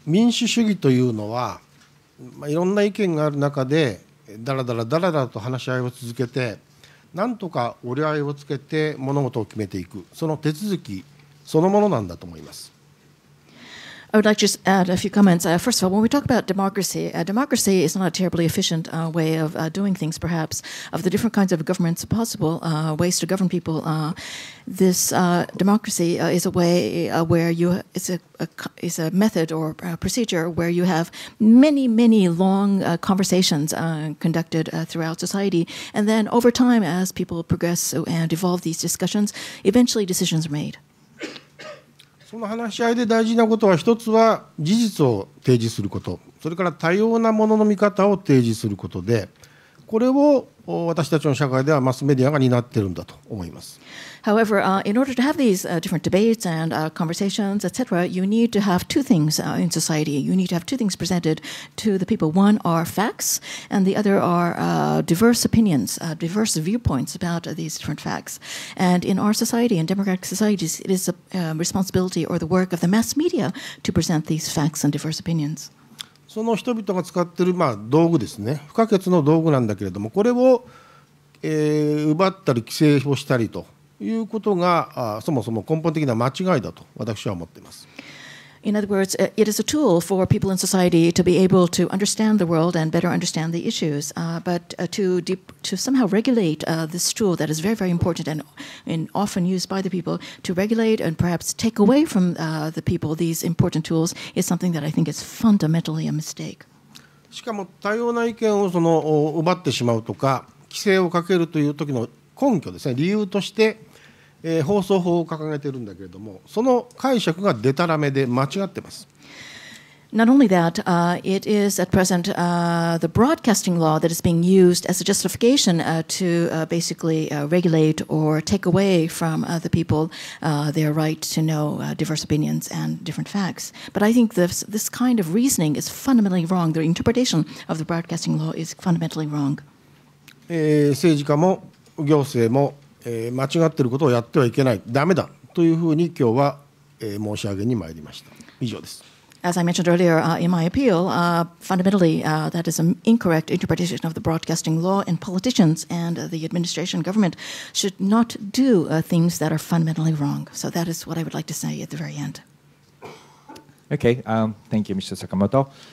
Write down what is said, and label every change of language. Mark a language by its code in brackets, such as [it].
[ja] 民主主義というのは、まあ、いろんな意見がある中でだらだらだらだらと話し合いを続けて、なんとか折り合いをつけて物事を決めていく、その手続きそのものなんだと思います。 [en] I would like to just add a few comments. First of all, when we talk about democracy, democracy is not a terribly efficient way of doing things, perhaps. Of the different kinds of governments possible, ways to govern people, this democracy is a way where you, it's a method or a procedure where you have many, many long conversations conducted throughout society. And then over time, as people progress and evolve these discussions, eventually decisions are made. [ja] この話し合いで大事なことは一つは事実を提示すること、それから多様なものの見方を提示することで、これを私たちの社会ではマスメディアが担っているんだと思います。 [en] However, in order to have these different debates and conversations, etc., you need to have two things in society. You need to have two things presented to the people. One are facts, and the other are diverse opinions, diverse viewpoints about these different facts. And in our society, in democratic societies, it is a responsibility or the work of the mass media to present these facts and diverse opinions. [ja] その人々が使っている、まあ、道具ですね、不可欠の道具なんだけれども、これを、奪ったり規制をしたりと。いうことがそもそも根本的な間違いだと私は思っています。 [en] In other words, it is a tool for people in society to be able to understand the world and better understand the issues. But to somehow regulate this tool that is very, very important and often used by the people to regulate and perhaps take away from the people these important tools is something that I think is fundamentally a mistake. [ja] しかも多様な意見をその奪ってしまうとか規制をかけるという時の根拠ですね、理由として、放送法を掲げているんだけれども、その解釈がデタラメで間違ってます。 [en] Not only that, it is at present the broadcasting law that is being used as a justification to basically regulate or take away from the people their right to know diverse opinions and different facts. But I think this kind of reasoning is fundamentally wrong. The interpretation of the broadcasting law is fundamentally wrong. [ja] 政治家も行政も、間違っていることをやってはいけない、ダメだというふうに今日は、申し上げに参りました。以上です。 [en] As I mentioned earlier, in my appeal, fundamentally, that is an incorrect interpretation of the broadcasting law, and politicians and the administration government should not do things that are fundamentally wrong. So that is what I would like to say at the very end. Okay, thank you, Mr. Sakamoto.